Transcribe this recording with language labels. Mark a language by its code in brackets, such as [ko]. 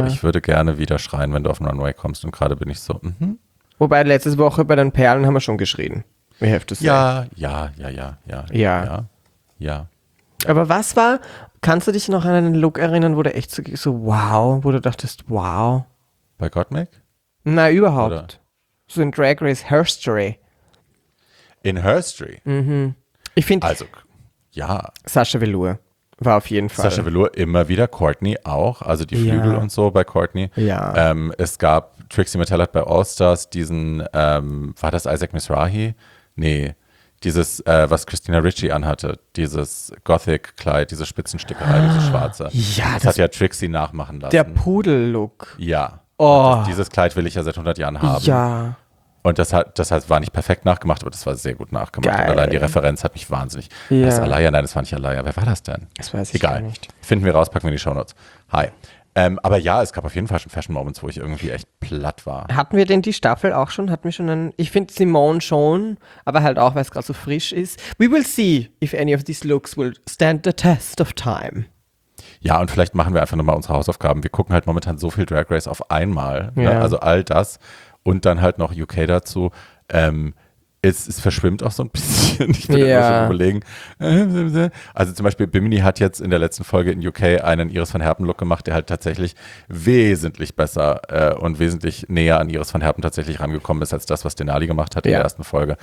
[de] So, ich würde gerne wieder schreien, wenn du auf den Runway kommst und gerade bin ich so. Mm-hmm. Wobei letzte Woche bei den Perlen haben wir schon geschrien. [en] We have to say. [de] Ja. Ja. Aber was war, kannst du dich noch an einen Look erinnern, wo du echt so wow, wo du dachtest, wow? Bei Gottmik? Na, überhaupt. Oder? So in Drag Race Herstory. In Herstory? Mhm. Ich finde, also, ja. Sasha Velour war auf jeden Fall. Sasha Velour immer wieder, Courtney auch, also die Flügel und so bei Courtney. Ja. Es gab, Trixie Mattel hat bei All Stars diesen, war das Isaac Mizrahi? Nee, dieses, was Christina Ricci anhatte, dieses Gothic-Kleid, diese Spitzenstickerei, dieses schwarze. Ja, das hat ja Trixie nachmachen lassen. Der Pudel-Look. Ja. Oh. Dieses Kleid will ich ja seit 100 Jahren haben. Ja. Und das war nicht perfekt nachgemacht, aber das war sehr gut nachgemacht. Geil. Und allein die Referenz hat mich wahnsinnig. Ja. Das war nicht Alaya. Wer war das denn? Das weiß ich gar nicht. Finden wir raus, packen wir in die Shownotes. Hi. Aber ja, es gab auf jeden Fall schon Fashion Moments, wo ich irgendwie echt platt war. Hatten wir denn die Staffel auch schon? Hatten wir schon einen? Ich finde Simone schon, aber halt auch, weil es gerade so frisch ist. [en] We will see if any of these looks will stand the test of time. [de] Ja, und vielleicht machen wir einfach nochmal unsere Hausaufgaben. Wir gucken halt momentan so viel Drag Race auf einmal. Ja. Ne? Also all das und dann halt noch UK dazu. Es verschwimmt auch so ein bisschen. Ich bin immer schon überlegen. Also zum Beispiel Bimini hat jetzt in der letzten Folge in UK einen Iris van Herpen Look gemacht, der halt tatsächlich wesentlich besser und wesentlich näher an Iris van Herpen tatsächlich rangekommen ist, als das, was Denali gemacht hat in der ersten Folge.